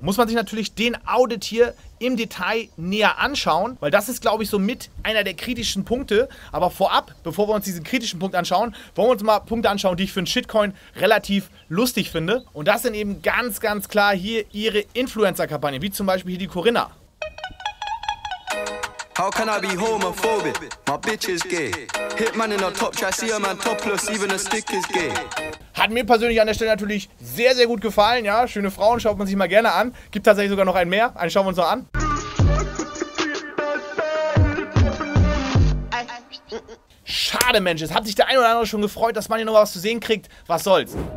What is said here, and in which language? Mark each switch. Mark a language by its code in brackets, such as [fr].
[de] Muss man sich natürlich den Audit hier im Detail näher anschauen, weil das ist, glaube ich, so mit einer der kritischen Punkte. Aber vorab, bevor wir uns diesen kritischen Punkt anschauen, wollen wir uns mal Punkte anschauen, die ich für einen Shitcoin relativ lustig finde. Und das sind eben ganz, ganz klar hier ihre Influencer-Kampagne, wie zum Beispiel hier die Corinna. [en] How can I be homophobic? My bitch is gay. Hitman in a top, I see a man topless, even a stick is gay. [de] Hat mir persönlich an der Stelle natürlich sehr, sehr gut gefallen, ja. Schöne Frauen, schaut man sich mal gerne an. Gibt tatsächlich sogar noch einen mehr. Einen schauen wir uns noch an. Schade, Mensch. Es hat sich der ein oder andere schon gefreut, dass man hier noch was zu sehen kriegt. Was soll's.